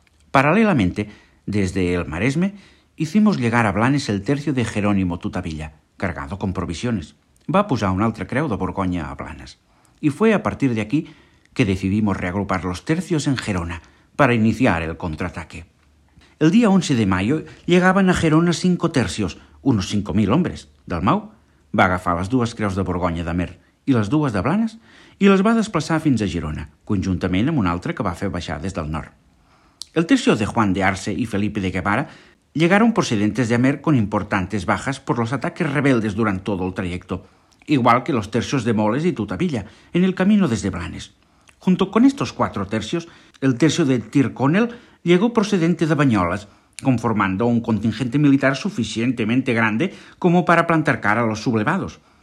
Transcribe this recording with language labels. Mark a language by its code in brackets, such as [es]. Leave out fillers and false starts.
[es] Paralelamente, desde el Maresme, hicimos llegar a Blanes el tercio de Jerónimo Tutavilla, cargado con provisiones. [ca] Va posar una altra creu de Borgonya a Blanes. [es] Y fue a partir de aquí que decidimos reagrupar los tercios en Gerona para iniciar el contraataque. El día 11 de mayo llegaban a Gerona 5 tercios, unos 5.000 hombres, [ca] Dalmau va agafar les dues creus de Borgonya d'Amer i les dues de Blanes i les va desplaçar fins a Girona, conjuntament amb una altra que va fer baixar des del nord. [es] El tercio de Juan de Arce i Felipe de Guevara llegaron procedentes de Amer con importantes bajas por los ataques rebeldes durant todo el trayecto, igual que los tercios de Moles y Tutavilla, en el camino desde Blanes. Junto con estos 4 tercios, el tercio de Tyrconnel llegó procedente de Banyoles, conformando un contingente militar suficientemente grande como para plantar cara a los sublevados.